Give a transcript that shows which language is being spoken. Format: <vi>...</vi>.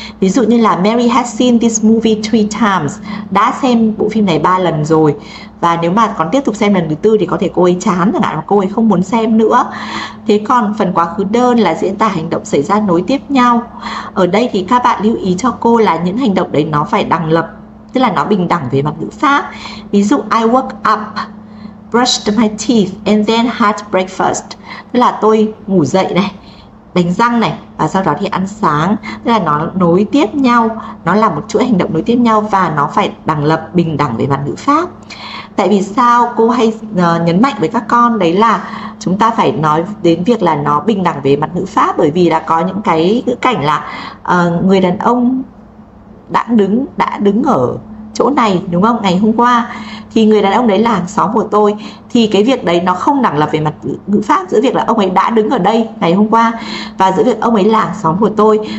<vi>Ví dụ như là</vi> <en>Mary has seen this movie three times,</en> <vi>đã xem bộ phim này 3 lần rồi, và nếu mà còn tiếp tục xem lần thứ tư thì có thể cô ấy chán chẳng hạn, mà cô ấy không muốn xem nữa. Thế còn phần quá khứ đơn là diễn tả hành động xảy ra nối tiếp nhau. Ở đây thì các bạn lưu ý cho cô là những hành động đấy nó phải đằng lập, tức là nó bình đẳng về mặt ngữ pháp. Ví dụ</vi> <en>I woke up, brushed my teeth and then had breakfast.</en> <vi>Tức là tôi ngủ dậy này, đánh răng này và sau đó thì ăn sáng. Tức là nó nối tiếp nhau, nó là một chuỗi hành động nối tiếp nhau và nó phải đằng lập, bình đẳng về mặt ngữ pháp. Tại vì sao cô hay nhấn mạnh với các con đấy là chúng ta phải nói đến việc là nó bình đẳng về mặt ngữ pháp, bởi vì là có những cái ngữ cảnh là người đàn ông đã đứng ở chỗ này đúng không, ngày hôm qua thì người đàn ông đấy là hàng xóm của tôi, thì cái việc đấy nó không đẳng lập về mặt ngữ pháp giữa việc là ông ấy đã đứng ở đây ngày hôm qua và giữa việc ông ấy là hàng xóm của tôi.</vi>